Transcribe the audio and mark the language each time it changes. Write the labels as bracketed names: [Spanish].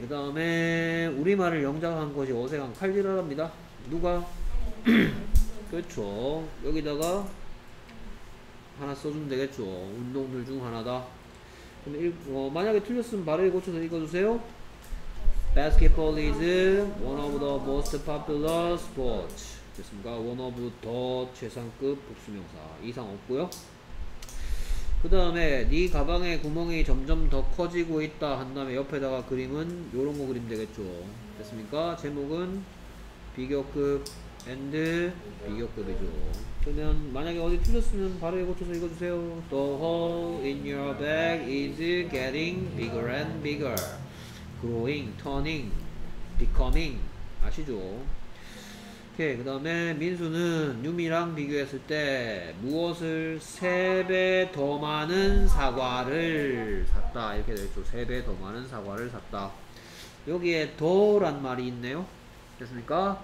[Korean] 그 다음에 우리말을 영작한 것이 어색한 칼디라랍니다. 누가? 그렇죠. 여기다가 하나 써주면 되겠죠. 운동들 중 하나다. 그럼 만약에 틀렸으면 발음 고쳐서 읽어주세요. [English] Basketball is one of the most popular sports. [Korean] 됐습니까? One of the 최상급 복수명사 이상 없고요. 그 다음에 네 가방의 구멍이 점점 더 커지고 있다 한 다음에 옆에다가 그림은 요런 거 그림 되겠죠. 됐습니까? 제목은 비교급 and 비교급이죠. 그러면 만약에 어디 틀렸으면 발음에 고쳐서 읽어주세요. [English] The hole in your bag is getting bigger and bigger. Growing, turning, becoming 아시죠? [Korean] 오케이 그 다음에 민수는 유미랑 비교했을 때 무엇을 3배 더 많은 사과를 샀다 이렇게 되겠죠. 3배 더 많은 사과를 샀다. 여기에 더 란 말이 있네요. 됐습니까?